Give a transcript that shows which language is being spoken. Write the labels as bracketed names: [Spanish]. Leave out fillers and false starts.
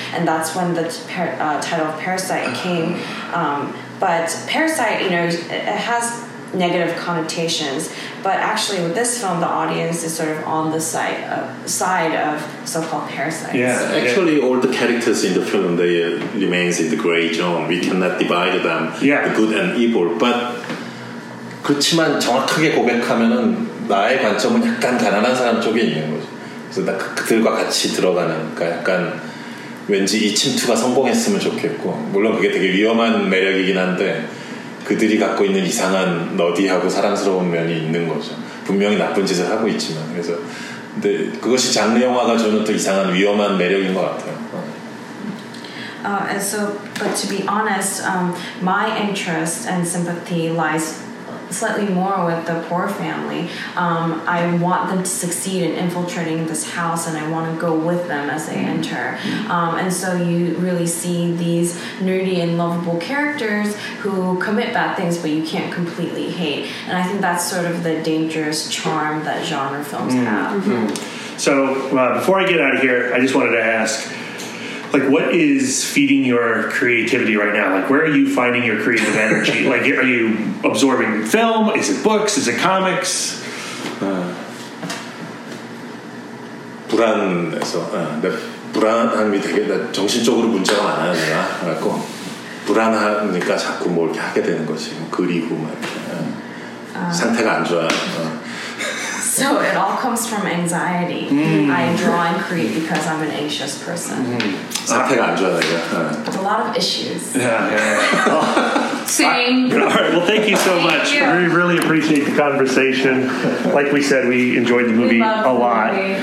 [English] And that's when the title of Parasite came. But Parasite, you know, it has negative connotations. But actually with this film, the audience is sort of on the side of so-called parasites. Yeah, actually all the characters in the film, they remains in the gray zone. We cannot divide them, the good and evil. [Korean] But 그렇지만 정확하게 고백하면은 나의 관점은 약간 가난한 사람 쪽에 있는 거죠. 그래서 나 그들과 같이 들어가는, 그러니까 약간 왠지 이 침투가 성공했으면 좋겠고, 물론 그게 되게 위험한 매력이긴 한데 그들이 갖고 있는 이상한 너디하고 사랑스러운 면이 있는 거죠. 분명히 나쁜 짓을 하고 있지만, 그래서 근데 그것이 장르 영화가 주는 또 이상한 위험한 매력인 것 같아요. [English] And so, but to be honest, my interest and sympathy lies slightly more with the poor family. I want them to succeed in infiltrating this house, and I want to go with them as they enter. And so you really see these nerdy and lovable characters who commit bad things, but you can't completely hate. And I think that's sort of the dangerous charm that genre films have. Mm-hmm. So before I get out of here, I just wanted to ask, like, what is feeding your creativity right now? Like, where are you finding your creative energy? Like, are you absorbing film? Is it books? Is it comics? [Korean] 불안해서 불안한 게 되게 정신적으로 문제가 많아요 내가 그래서 불안하니까 자꾸 뭘 이렇게 하게 되는 거지 그리고 막 상태가 안 좋아. [English] So it all comes from anxiety. I draw and create because I'm an anxious person. A lot of issues. Same. All right. Well, thank you so much. You. We really appreciate the conversation. Like we said, we enjoyed the movie a lot.